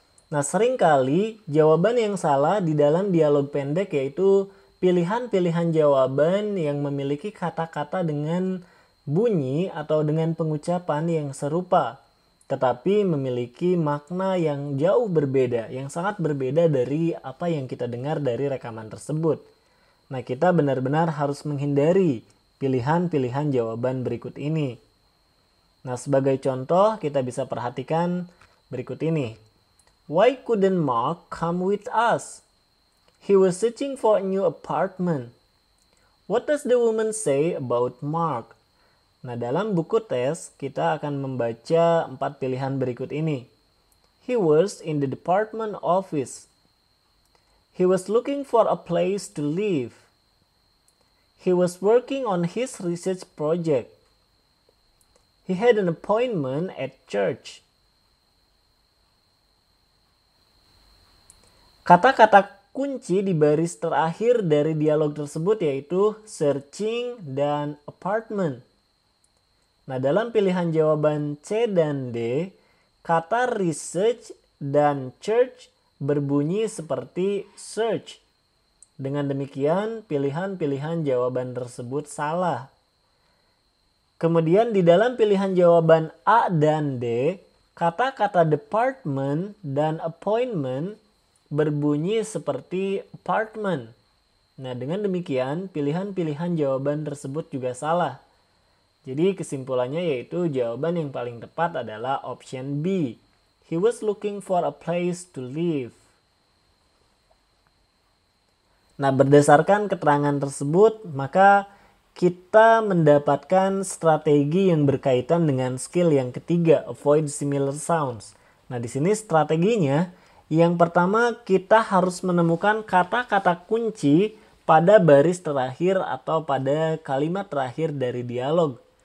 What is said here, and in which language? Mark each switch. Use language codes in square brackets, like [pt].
[id] Nah, seringkali jawaban yang salah di dalam dialog pendek yaitu pilihan-pilihan jawaban yang memiliki kata-kata dengan bunyi atau dengan pengucapan yang serupa, tetapi memiliki makna yang jauh berbeda, yang sangat berbeda dari apa yang kita dengar dari rekaman tersebut. Nah, kita benar-benar harus menghindari pilihan-pilihan jawaban berikut ini. Nah, sebagai contoh, kita bisa perhatikan berikut ini. [en] Why couldn't Mark come with us? He was searching for a new apartment. What does the woman say about Mark? [id] Nah, dalam buku tes, kita akan membaca 4 pilihan berikut ini. [en] He was in the department office. He was looking for a place to live. He was working on his research project. He had an appointment at church. [id] Kata-kata kunci di baris terakhir dari dialog tersebut yaitu searching dan apartment. Nah, dalam pilihan jawaban C dan D, kata research dan church berbunyi seperti search. Dengan demikian, pilihan-pilihan jawaban tersebut salah. Kemudian di dalam pilihan jawaban A dan D, kata-kata department dan appointment berbunyi seperti apartment. Nah, dengan demikian, pilihan-pilihan jawaban tersebut juga salah. Jadi kesimpulannya yaitu jawaban yang paling tepat adalah option B. [en] He was looking for a place to live. [id] Nah, berdasarkan keterangan tersebut, maka kita mendapatkan strategi yang berkaitan dengan skill yang ketiga, [en] avoid similar sounds. [id] Nah, di sini strateginya, yang pertama kita harus menemukan kata-kata kunci pada baris terakhir atau pada kalimat terakhir dari dialog.